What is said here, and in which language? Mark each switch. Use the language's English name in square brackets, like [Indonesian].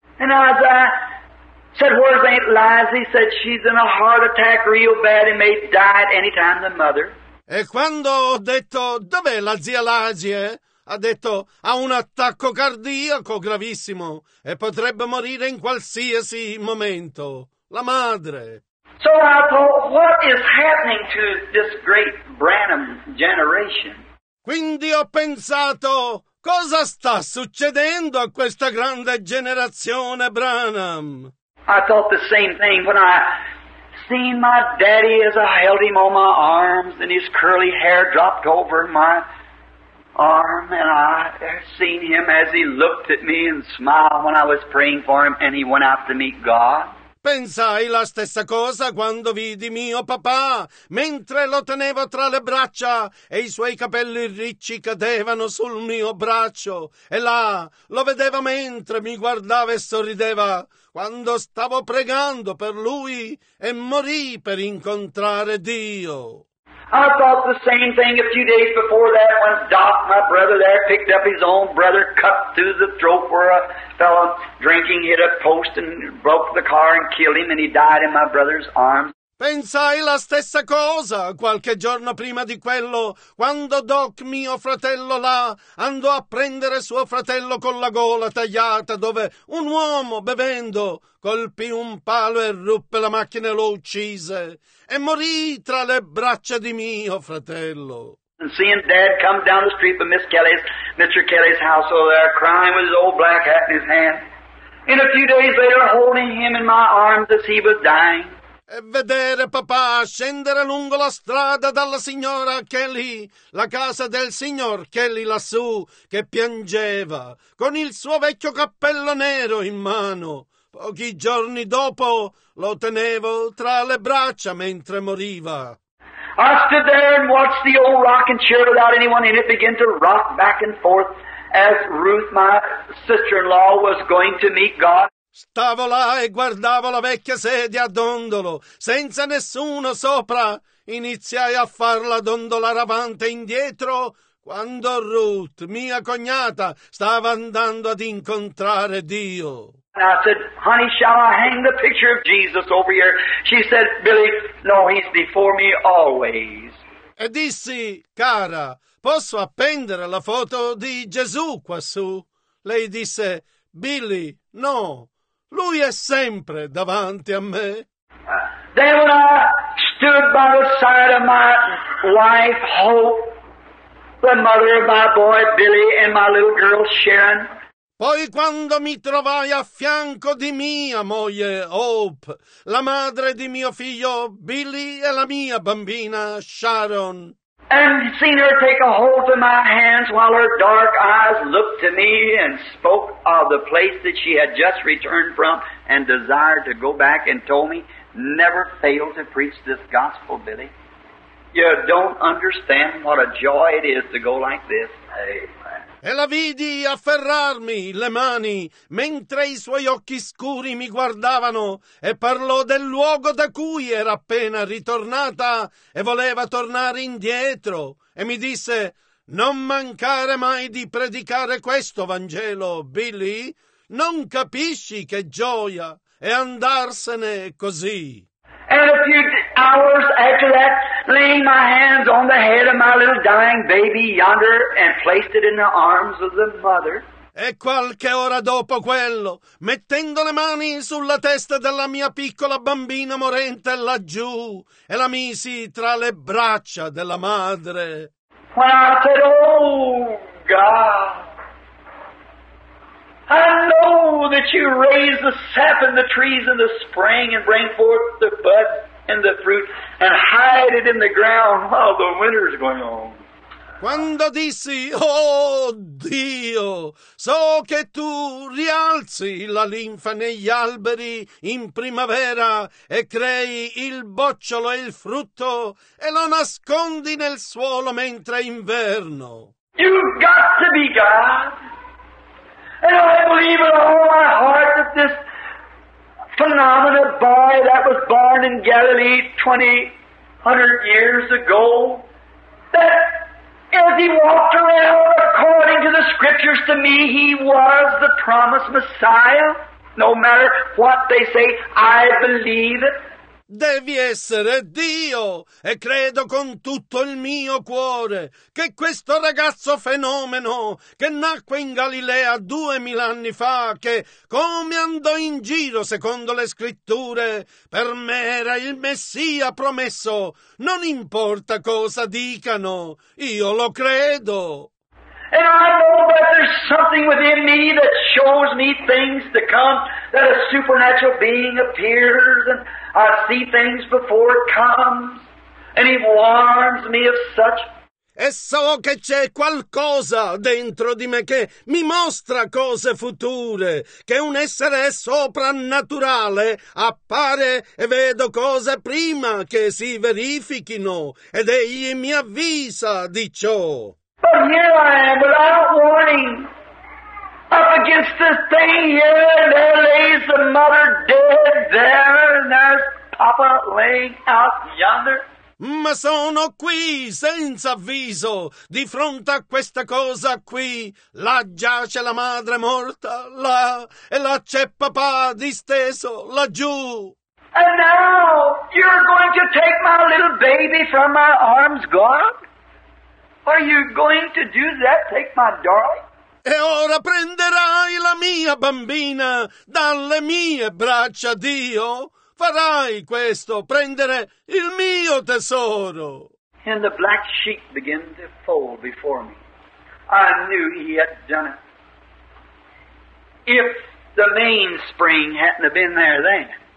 [English] And as I said, where's Aunt Liza? He said, she's in a heart attack real bad and may die at any time, the mother. [Italian] E quando ho detto, dov'è la zia Liza? Ha detto, ha un attacco cardiaco gravissimo e potrebbe morire in qualsiasi momento. La madre. [English] So I thought, what is happening to this great Branham generation? [Italian] Quindi ho pensato, cosa sta succedendo a questa grande generazione Branham? [English] I thought the same thing when I seen my daddy as I held him on my arms and his curly hair dropped over my arm, and I seen him as he looked at me and smiled when I was praying for him and he went out to meet God. [Italian] Pensai la stessa cosa quando vidi mio papà, mentre lo tenevo tra le braccia e i suoi capelli ricci cadevano sul mio braccio. E là lo vedeva mentre mi guardava e sorrideva quando stavo pregando per lui e morì per incontrare Dio. [English] I thought the same thing a few days before that when Doc, my brother there, picked up his own brother, cut through the throat where a fellow drinking hit a post and broke the car and killed him and he died in my brother's arms. [Italian] Pensai la stessa cosa qualche giorno prima di quello, quando Doc, mio fratello là, andò a prendere suo fratello con la gola tagliata, dove un uomo, bevendo, colpì un palo e ruppe la macchina e lo uccise. E morì tra le braccia di mio fratello. [English] And seeing Dad come down the street from Miss Kelly's, Mr. Kelly's household there, crying with his old black hat in his hand. In a few days later, holding him in my arms as he was dying. [Italian] E vedere papà scendere lungo la strada dalla signora Kelly, la casa del signor Kelly lassù, che piangeva, con il suo vecchio cappello nero in mano. Pochi giorni dopo lo tenevo tra le braccia mentre moriva. [English] I stood there and watched the old rocking chair without anyone in it begin to rock back and forth as Ruth, my sister-in-law, was going to meet God. [Italian] Stavo là e guardavo la vecchia sedia a dondolo, senza nessuno sopra. Iniziai a farla dondolare avanti e indietro quando Ruth, mia cognata, stava andando ad incontrare Dio. [English] And I said, honey, shall I hang the picture of Jesus over here? She said, Billy, no, he's before me always. [Italian] E dissi, cara, posso appendere la foto di Gesù quassù? Lei disse, Billy, no. Lui è sempre davanti a me. [English] Then when I stood by the side of my wife, Hope, the mother of my boy Billy and my little girl Sharon. [Italian] Poi quando mi trovai a fianco di mia moglie Hope, la madre di mio figlio Billy e la mia bambina Sharon. [English] And seen her take a hold of my hands while her dark eyes looked to me and spoke of the place that she had just returned from and desired to go back and told me, never fail to preach this gospel, Billy. You don't understand what a joy it is to go like this. Amen. [Italian] E la vidi afferrarmi le mani mentre i suoi occhi scuri mi guardavano e parlò del luogo da cui era appena ritornata e voleva tornare indietro e mi disse, non mancare mai di predicare questo Vangelo, Billy. Non capisci che gioia è andarsene così. [English] And a few hours after that, laying my hands on the head of my little dying baby yonder and placed it in the arms of the mother. [Italian] E qualche ora dopo quello, mettendo le mani sulla testa della mia piccola bambina morente laggiù, e la misi tra le braccia della madre. [English] When I said, oh God, I know that you raise the sap and the trees in the spring and bring forth the bud and the fruit and hide it in the ground while the winter's going on. [Italian] Quando dissi, oh Dio, so che tu rialzi la linfa negli alberi in primavera e crei il bocciolo e il frutto e lo nascondi nel suolo mentre è inverno. [English] You've got to be God. And I believe with all my heart that this phenomenal boy that was born in Galilee 2,000 years ago, that as he walked around according to the scriptures to me, he was the promised Messiah. No matter what they say, I believe it. [Italian] Devi essere Dio, e credo con tutto il mio cuore che questo ragazzo fenomeno che nacque in Galilea 2000 anni fa, che come andò in giro secondo le scritture, per me era il Messia promesso. Non importa cosa dicano, io lo credo. [English] And I know that there's something within me that shows me things to come, that a supernatural being appears and I see things before it comes, and he warns me of such. [Italian] E so che c'è qualcosa dentro di me che mi mostra cose future, che un essere soprannaturale appare e vedo cose prima che si verifichino, ed egli mi avvisa di ciò. [English] But here I am, without warning, up against this thing here, and there lays the mother dead there, and there's Papa laying out yonder. [Italian] Ma sono qui, senza avviso, di fronte a questa cosa qui. Là giace la madre morta, là, e là c'è papà disteso, laggiù. [English] And now, you're going to take my little baby from my arms, God? Are you going to do that? Take my darling? [Italian] E ora prenderai la mia bambina dalle mie braccia, Dio. Farai questo, prendere il mio tesoro. [English] And the black sheep began to fold before me. I knew he had done it. If the mainspring hadn't have been there then.